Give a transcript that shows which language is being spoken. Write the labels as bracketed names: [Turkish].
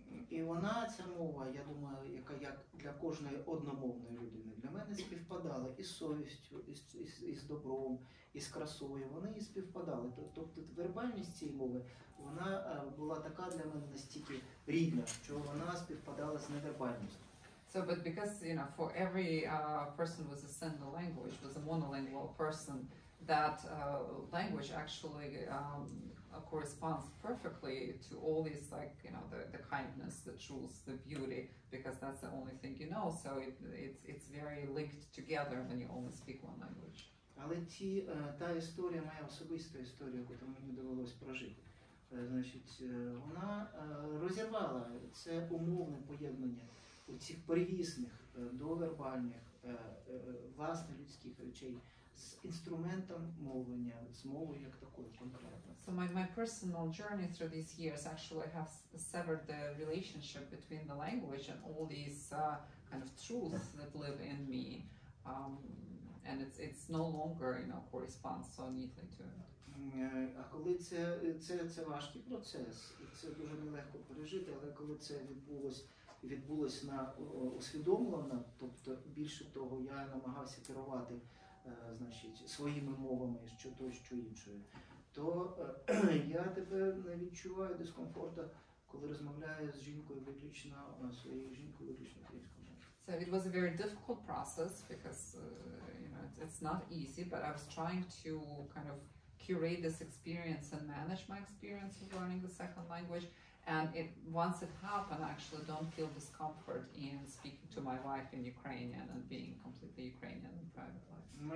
[Ukrainian] І вона, ця мова, я думаю, яка як для кожної одномовної людини, для мене співпадала із совістю, із добром, із красою, вони і співпадали. Тобто вербальність цієї мови, вона була така для мене настільки рідна, що вона співпадала з невербальністю. [English] So, but because, you know, for every person was a single language, was a monolingual person, that language actually corresponds perfectly to all these, like, you know, the kindness, the truth, the beauty, because that's the only thing you know, so it's very linked together when you only speak one language. [Ukrainian] Але та історія, моя особиста історія, яку мені довелось прожити, значить, вона розірвала це умовне поєднання. У цих первісних, довербальних, власних людських речей з інструментом мовлення, з мовою як такою конкретно. [English] So my personal journey through these years actually has severed the relationship between the language and all these kind of truths that live in me. And it's no longer, you know, corresponds so neatly to it. [Ukrainian] А коли це важкий процес, і це дуже нелегко пережити, але коли це відбулось на усвідомлено, тобто більше того, я намагався керувати, значить, своїми мовами, що той, що іншою, то я тепер не відчуваю дискомфорту, коли розмовляю з жінкою виключно своєю жінкою виключно українською мовою. [English] So it was a very difficult process because it's not easy, but I was trying to kind of curate this experience and manage my experience of learning the second language. And once it happened, I actually don't feel discomfort in speaking to my wife in Ukrainian and being completely Ukrainian in private life.